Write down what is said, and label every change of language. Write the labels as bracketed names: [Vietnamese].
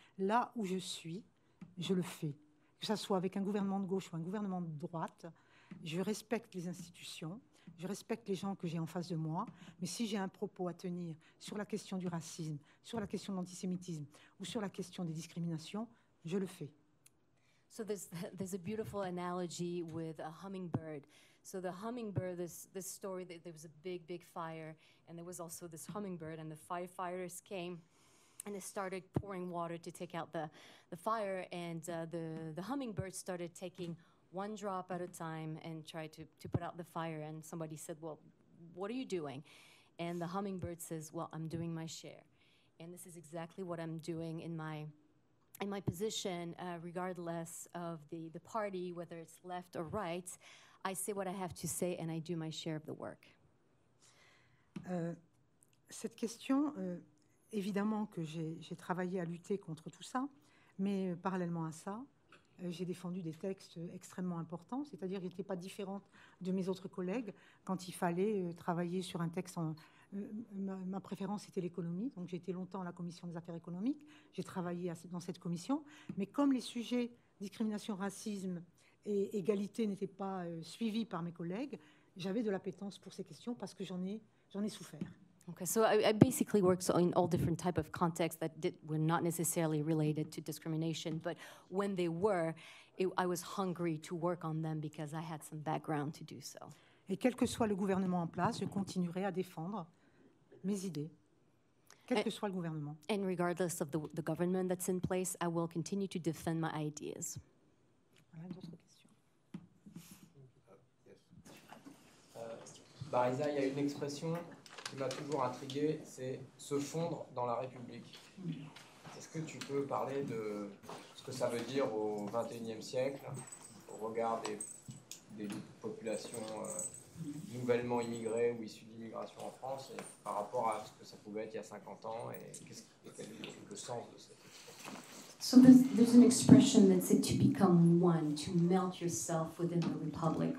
[French] Là où je suis, je le fais. Que ce soit avec un gouvernement de gauche ou un gouvernement de droite, je respecte les institutions, je respecte les gens que j'ai en face de moi. Mais si j'ai un propos à tenir sur la question du racisme, sur la question de l'antisémitisme ou sur la question des discriminations, je le fais. [English] So there's a beautiful analogy with a hummingbird. So the hummingbird, this story, that there was a big, big fire, and there was also this hummingbird, and the firefighters came, and they started pouring water to take out the fire, and the hummingbird started taking one drop at a time and tried to put out the fire, and somebody said, well, what are you doing? And the hummingbird says, well, I'm doing my share. And this is exactly what I'm doing in my position, regardless of the party, whether it's left or right. I say what I have to say, and I do my share of the work. [French] Cette question, évidemment que j'ai travaillé à lutter contre tout ça, mais parallèlement à ça, j'ai défendu des textes extrêmement importants, c'est-à-dire que je n'étais pas différente de mes autres collègues quand il fallait travailler sur un texte. Ma préférence, c'était l'économie, donc j'ai été longtemps à la commission des affaires économiques, j'ai travaillé dans cette commission, mais comme les sujets discrimination, racisme et égalité n'étaient pas suivis par mes collègues, j'avais de l'appétence pour ces questions parce que j'en ai souffert. [English] Okay, so I basically work in all different type of contexts that were not necessarily related to discrimination, but when they were, I was hungry to work on them because I had some background to do so. [French] Et quel que soit le gouvernement en place, je continuerai à défendre mes idées, quel que soit le gouvernement. [English] And regardless of the government that's in place, I will continue to defend my ideas. [French] Voilà, d'autres questions. Barisa, il y a une expression qui m'a toujours intrigué, c'est se fondre dans la République. Est-ce que tu peux parler de ce que ça veut dire au XXIe siècle, au regard des populations nouvellement immigrées ou issues d'immigration en France, et par rapport à ce que ça pouvait être il y a 50 ans, et quel est le sens de cette expression? [English] So there's an expression that said to become one, to melt yourself within the Republic.